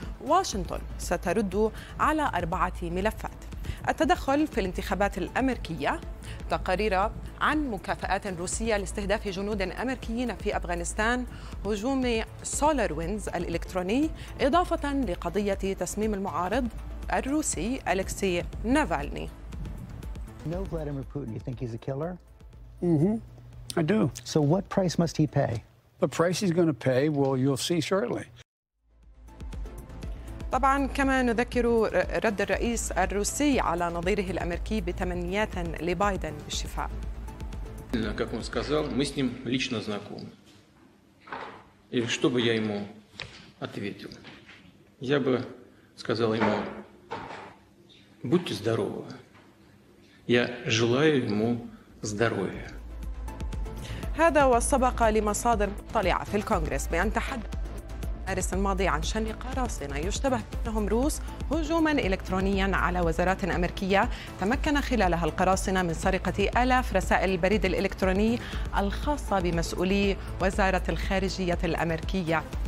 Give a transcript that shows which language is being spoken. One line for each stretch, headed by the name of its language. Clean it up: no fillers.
Arabic: واشنطن سترد على 4 ملفات: التدخل في الانتخابات الأمريكية، تقارير عن مكافآت روسية لاستهداف جنود أمريكيين في أفغانستان، هجوم سولار ويندز الإلكتروني، إضافة لقضية تسميم المعارض الروسي أليكسي نافالني.
English: Know Vladimir Putin? You think he's a killer? Mm-hmm. I do. So what price must he pay? The price he's going to pay, well, you'll see shortly.
Arabic: طبعا كما نذكر رد الرئيس الروسي على نظيره الأمريكي بتمنيات لبايدن بالشفاء.
Russian: действительно, как он сказал, мы с ним лично знакомы. И что бы я ему ответил? Я бы сказал ему: будьте здоровы. Я желаю ему здоровья.
Arabic: هذا وسبق لمصادر مطلعة في الكونغرس بأن تحدث المارس الماضي عن شن قراصنة يشتبه بأنهم روس هجوما إلكترونيا على وزارات أمريكية تمكن خلالها القراصنة من سرقة آلاف رسائل البريد الإلكتروني الخاصة بمسؤولي وزارة الخارجية الأمريكية.